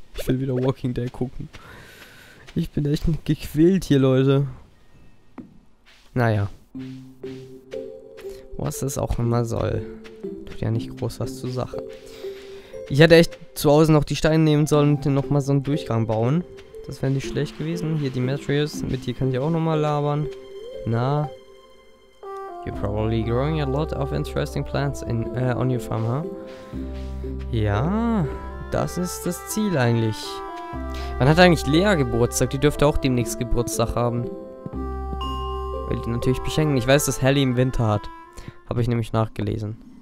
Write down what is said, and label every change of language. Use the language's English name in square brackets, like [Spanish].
[German] Ich will wieder Walking Dead gucken. Ich bin echt gequält hier, Leute. Naja. Was es auch immer soll. Tut ja nicht groß was zur Sache. Ich hätte echt zu Hause noch die Steine nehmen sollen und nochmal so einen Durchgang bauen. Das wäre nicht schlecht gewesen. Hier die Matrius. Mit dir kann ich auch nochmal labern. Na? [English] You're probably growing a lot of interesting plants in on your farm, huh? [German] Ja, das ist das Ziel eigentlich. Wann hat eigentlich Lea Geburtstag? Die dürfte auch demnächst Geburtstag haben. Will die natürlich beschenken. Ich weiß, dass Hallie im Winter hat. Habe ich nämlich nachgelesen.